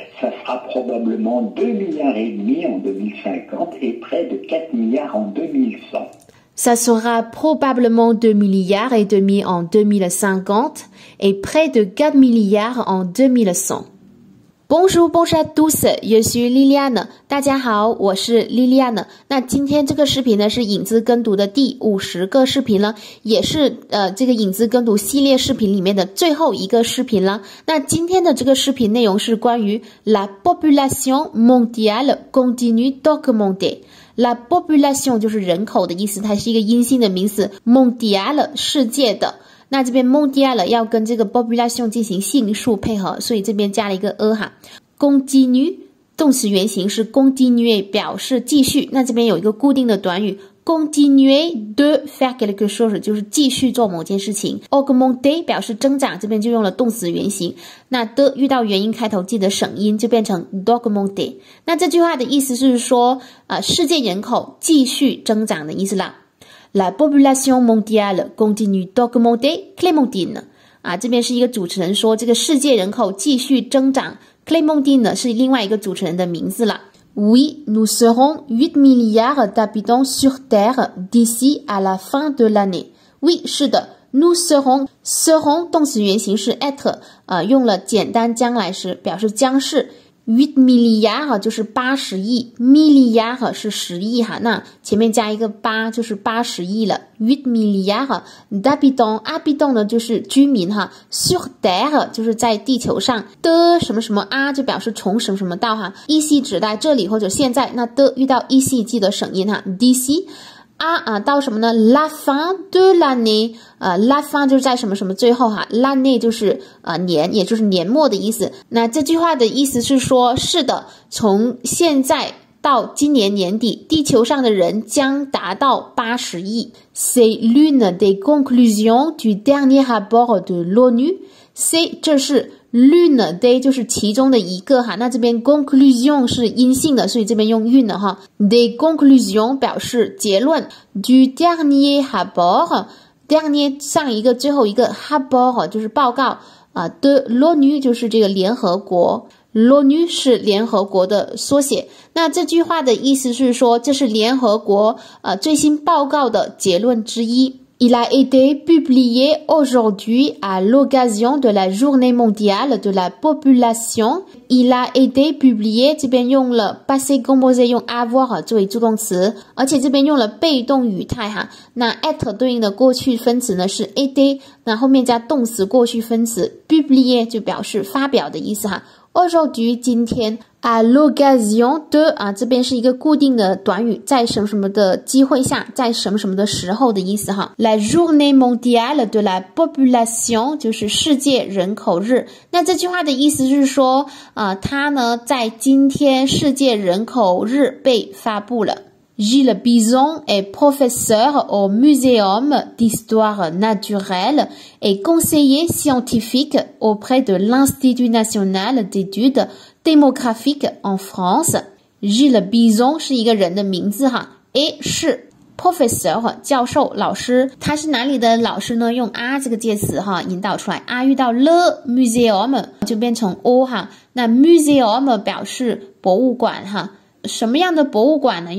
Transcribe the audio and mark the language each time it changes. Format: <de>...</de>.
<fr>Ça sera probablement 2,5 milliards en 2050 et près de 4 milliards en 2100. Ça sera probablement 2,5 milliards en 2050 et près de 4 milliards en 2100. Bonjour, bonjour à tous, je suis Liliane.</fr> <zh>大家好，我是 Liliane。那今天这个视频呢，是影子跟读的第50个视频了，也是这个影子跟读系列视频里面的最后一个视频了。那今天的这个视频内容是关于</zh> <fr>La population mondiale continue d'augmenter。 La population</fr> <zh>就是人口的意思，它是一个阴性的名词 ，mondiale 世界的。那这边 mondial 要跟这个 population 进行性数配合，所以这边加了一个 a 哈。 continue 动词原形是 continue 表示继续，那这边有一个固定的短语</zh> <fr>continue de faire quelque chose</fr> <zh>就是继续做某件事情。 augmenter 表示增长，这边就用了动词原形。那的遇到元音开头记得省音，就变成 d'augmenter。那这句话的意思是说，世界人口继续增长的意思啦。</zh> <fr>La population mondiale continue d'augmenter, Clémentine.</fr> <zh>啊，这边是一个主持人说这个世界人口继续增长。 Clémentine 是另外一个主持人的名字了。</zh> <fr>Oui, nous serons 8 milliards d'habitants sur Terre d'ici à la fin de l'année.</fr> <zh>Oui, 是的 ,</zh> <fr>nous serons,</fr> <zh>serons 动词原形是 être, 用了简单将来时表示将是。 8 milliards 就是80亿 ,milliards 是10亿哈，那前面加一个8就是80亿了。</zh> <fr>8 milliards d'habitants,</fr> <zh>habitants 呢就是居民哈 ,</zh> <fr>sur terre</fr> <zh>就是在地球上的什么什么啊就表示从什么什么到哈 ,ic 指代这里或者现在，那的遇到 ic 记得省音哈 ,dc, 啊啊到什么呢 ,</zh> <fr>la fin de l'année,</fr> <zh>la fin 就是在什么什么最后哈 ,l'année 就是年也就是年末的意思。那这句话的意思是说是的从现在到今年年底，地球上的人将达到80亿。</zh> <fr>C'est l'une des conclusions du dernier rapport de l'ONU.</fr> <zh>C'est 这是</zh> <fr>l'une des</fr> <zh>就是其中的一个哈。那这边 conclusion 是阴性的，所以这边用 une 哈。</zh> <fr>Des conclusions</fr> <zh>表示结论。</zh> <fr>Du dernier rapport,</fr> <zh>dernier 上一个最后一个 rapport 就是报告啊。</zh> <fr>De l'ONU</fr> <zh>就是这个联合国。L'ONU 是联合国的缩写。那这句话的意思是说，这是联合国最新报告的结论之一。</zh> <fr>Il a été publié aujourd'hui à l'occasion de la Journée mondiale de la population. Il a été publié,</fr> <zh>这边用了</zh> <fr>passé composé,</fr> <zh>用 avoir 作为助动词，而且这边用了被动语态哈。那 at 对应的过去分词呢是 été, 那后面加动词过去分词 publié 就表示发表的意思哈。 Aujourd'hui, 今天</zh> <fr>à l'occasion de,</fr> <zh>啊，这边是一个固定的短语，在什么什么的机会下，在什么什么的时候的意思哈。</zh> <fr>La journée mondiale de la population,</fr> <zh>就是世界人口日。那这句话的意思是说，它呢，在今天世界人口日被发布了。</zh> <fr>Gilles Bison est professeur au Muséum d'histoire naturelle. Et conseiller scientifique auprès de l'Institut national d'études démographiques en France.</fr> <zh>Gilles Bison 是一个人的名字哈，哎，是 professeur 教授老师，他是哪里的老师呢？用 a 这个介词哈引导出来 ，a 遇到</zh> <fr>le museum</fr> <zh>就变成 o 哈，那 museum 表示博物馆哈，什么样的博物馆呢？</zh>